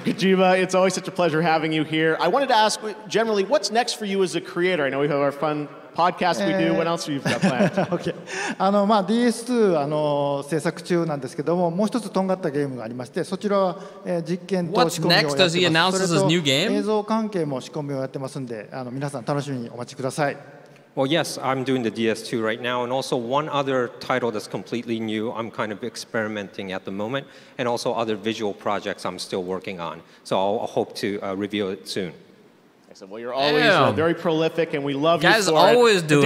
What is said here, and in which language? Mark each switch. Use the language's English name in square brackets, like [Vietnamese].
[English] Kojima, it's always such a pleasure having you here. I wanted to ask, generally, what's next for you as a creator? I know we have our fun podcast we do. What else have you got planned? Okay. [Japanese] DS2 制作中なんですけども、もう一つとんがったゲームがありまして、そちらは実験と仕込みをやってます。 [English] What's next? Does he announce his new game? [Japanese] 映像関係も仕込みをやってますんで、皆さん楽しみにお待ちください。 [English] Well, yes, I'm doing the DS2 right now, and also one other title that's completely new. I'm kind of experimenting at the moment, and also other visual projects I'm still working on. So I'll hope to reveal it soon. Excellent. Well, you're always very prolific, and we love you for it. Guys always doing